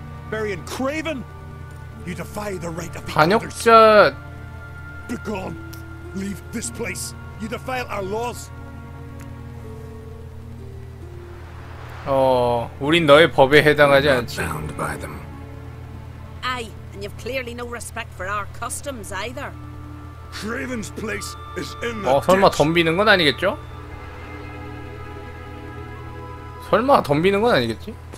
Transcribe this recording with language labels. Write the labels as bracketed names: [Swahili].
[English] Burying Kraven? You defy the right of the others. [Korean] 반역자. [English] Be gone. Leave this place. You defile our laws. [Korean] 우린 너의 법에 해당하지 않지. [English] Bound by them. Aye. And you've clearly no respect for our customs either. Craven's place is in the. [Korean] 설마 덤비는 건 아니겠죠? 설마 덤비는 건 아니겠지?